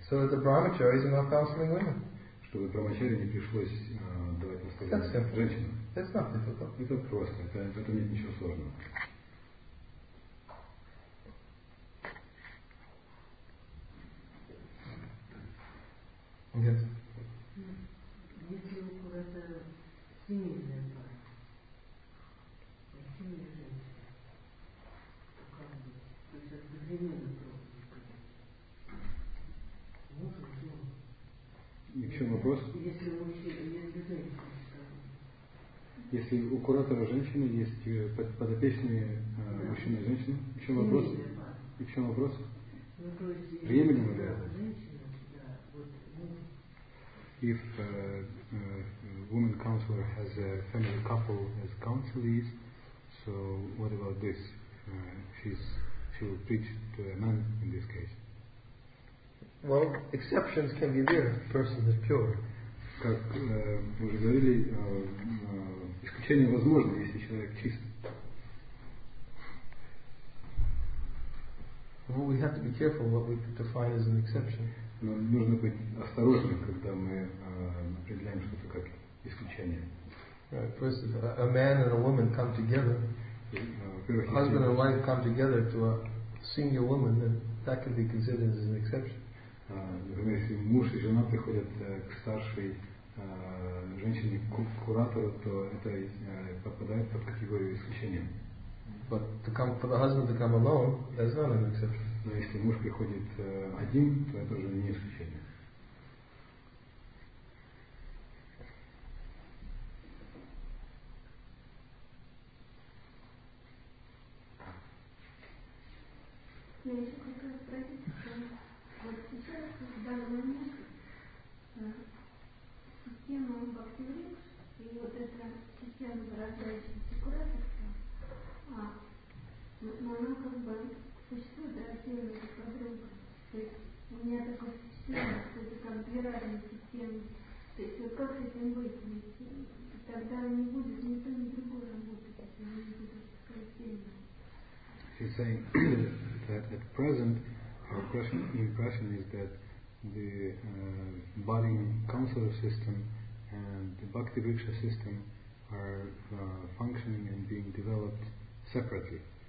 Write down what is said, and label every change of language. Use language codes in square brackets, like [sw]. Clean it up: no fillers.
[en] So that the brahmacharis are not counseling women. [ru] Чтобы брамачари не пришлось давать наставления женщинам. [en] That's not difficult. [ru] Это просто. Это нет ничего сложного. Нет. Если у кого-то семейная пара, семейная женщина, то как быть? То есть одновременно просто сказать. Муж и жена. И в чем вопрос? Если у женщины, если у куратора женщины есть подопечные мужчина и женщина, в чем вопрос? И в чем вопрос? Временным или это? [en] If a woman counselor has a family couple as counselees, so what about this? She will preach to a man in this case. Well, exceptions can be there. Person is pure. [ru] Как мы уже говорили, исключение возможно, если человек чист. [en] Well, we have to be careful what we define as an exception. [ru] Но нужно быть осторожным, когда мы определяем что-то как исключение. [en] Right. First, a man and a woman come together. [ru] Во-первых, [en] husband and wife come together to a senior woman, then that can be considered as an exception. [ru] Например, если муж и жена приходят к старшей женщине куратору, то это попадает под категорию исключения. [en] But to come for the husband to come alone, that's not an exception. [ru] Но если муж приходит один, то это уже не исключение. Я еще хотела спросить, что вот сейчас, в данный момент, система Бхакти-Врикш и вот эта система зарождающейся куратовства, она как бы существует разделена друг по другу. То есть у меня такое впечатление, что это как две разные системы. То есть вот как с этим быть? Ведь тогда не будет ни то, ни другое работать, если они будут скрытельны. [en] She's saying that at present her impression is that the Bhavin counselor system and the Bhakti Vriksha system are functioning and being developed separately.